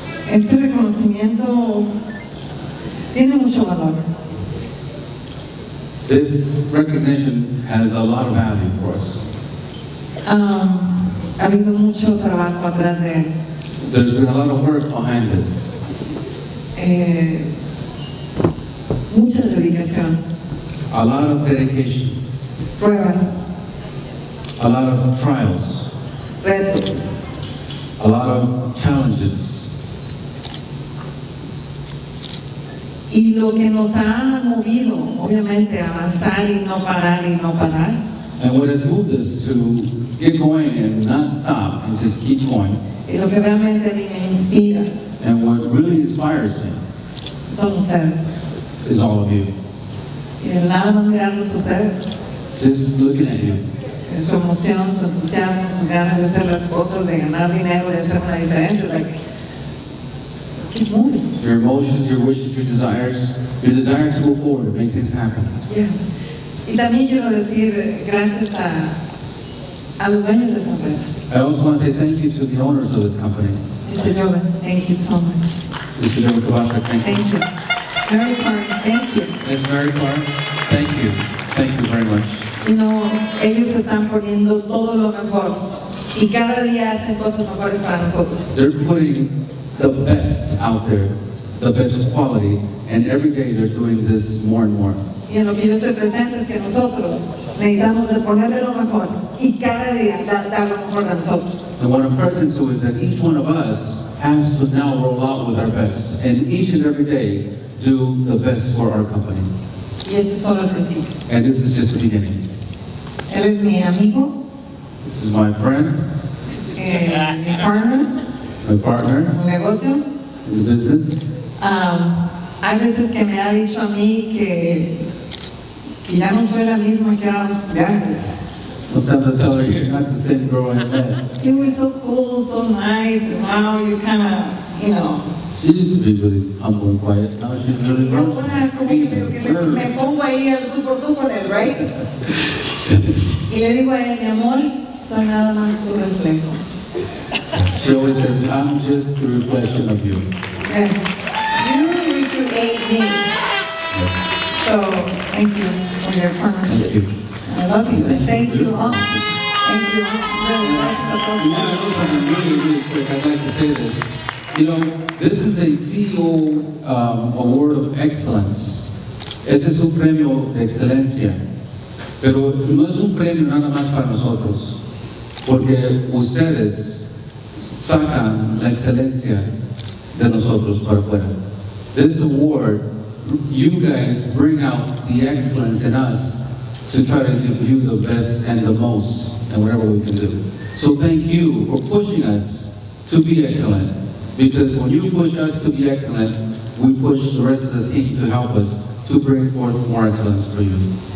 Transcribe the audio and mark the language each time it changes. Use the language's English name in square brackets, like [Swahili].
[Spanish] Este reconocimiento tiene mucho valor. [English] This recognition has a lot of value for us. [Spanish] Ha habido mucho trabajo atrás de. [English] There's been a lot of work behind this. [Spanish] Mucha dedicación. [English] A lot of dedication. [Spanish] Pruebas. [English] A lot of trials. [Spanish] Retos. [English] A lot of challenges. [Spanish] Y lo que nos ha movido, obviamente, avanzar y no parar y no parar. [English] And what has moved us to get going and not stop and just keep going. [Spanish] Y lo que realmente a mí me inspira. [English] And what really inspires me. [Spanish] Son ustedes. [English] Is all of you. [Spanish] Y nada más mirarlos ustedes. [English] Just looking at you. [Spanish] Es su emoción, su entusiasmo, sus ganas de hacer las cosas, de ganar dinero, de hacer una diferencia. [English] Your emotions, your wishes, your desire to move forward and make things happen. [Spanish] Yeah. Y también quiero decir gracias a los dueños de esta empresa. [English] I also want to say thank you to the owners of this company. Mr. Jovan, thank you so much. Mr. Jovan Kovacic, thank you. Thank you. Mary Clark, thank you. Ms. Mary Clark, thank you. Thank you very much. You know, [Spanish] ellos están poniendo todo lo mejor. Y cada día hacen cosas mejores para nosotros. [English] They're putting the best out there, the best quality, and every day they're doing this more and more. [Spanish] Y en lo que yo estoy presente es que nosotros necesitamos de ponerle lo mejor y cada día dar lo mejor de nosotros. [English] And what I'm pressing to is that each one of us has to now roll out with our best, and each and every day do the best for our company. [Spanish] Y esto es solo el principio. [English] And this is just the beginning. [Spanish] Él es mi amigo. [English] This is my friend. [Spanish] Mi partner. [English] My partner. [Spanish] Un negocio. [English] In the business. [Spanish] Hay veces que me ha dicho a mí que ya no soy la misma que era antes. [English] Sometimes I tell her you're not the same girl anymore. You were so cool, so nice, and now you kind of, you know. She used to be really humble and quiet. Now she's really grown. [Spanish] Yo una como que me pongo ahí al tú por tú con él, right? Y le digo a él, mi amor, soy nada más tu reflejo. [English] She always says, I'm just the reflection of you. Yes. You need to aid me. Yes. So, thank you for your partnership. Thank you. I love you. And thank you all. Thank you. Really, really, really quick, I'd like to say this. You know, this is a CEO award of excellence. [Spanish] Este es un premio de excelencia. Pero no es un premio nada más para nosotros. Porque ustedes sacan la excelencia de nosotros para afuera. [English] This award, you guys bring out the excellence in us to try to give you the best and the most and whatever we can do. So thank you for pushing us to be excellent. Because when you push us to be excellent, we push the rest of the team to help us to bring forth more excellence for you.